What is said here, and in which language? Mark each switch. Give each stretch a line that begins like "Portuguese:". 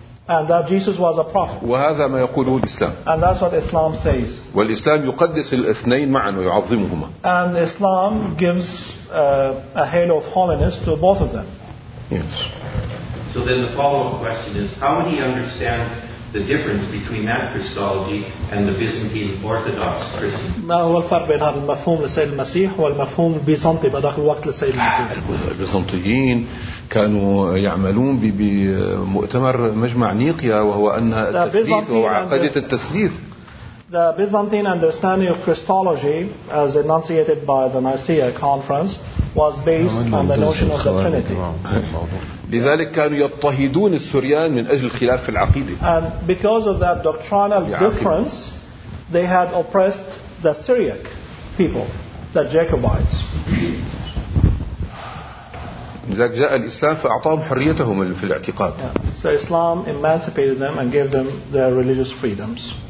English: And that Jesus was a prophet.
Arabic: وهذا ما يقوله الإسلام.
English: And that's what Islam says.
Arabic: والإسلام يقدس الاثنين معا ويعظمهما.
English: And Islam gives a halo of holiness to both of them. Yes. So then the follow-up question is, how would he understand the difference between that Christology and the Byzantine Orthodox Christian?
Arabic: ما هو الفرق بين هذا المفهوم لسيد المسيح والمفهوم البيزنطي بداخل الوقت لسيد المسيح؟ البيزنطيين كانوا يعملون بمؤتمر مجمع نيقيا وهو أن التثليث وعقيدة التثليث.
English: The Byzantine understanding of Christology, as enunciated by the Nicaea Conference, was based on the notion of the Trinity.
Arabic: لذلك كانوا يضطهدون السريان من أجل خلاف في العقيدة.
English: And because of that doctrinal difference, they had oppressed the Syriac. people, the Jacobites.
Arabic: إذا جاء الإسلام فأعطاهم حريتهم في الاعتقاد.
English: Yeah. So Islam emancipated them and gave them their religious freedoms.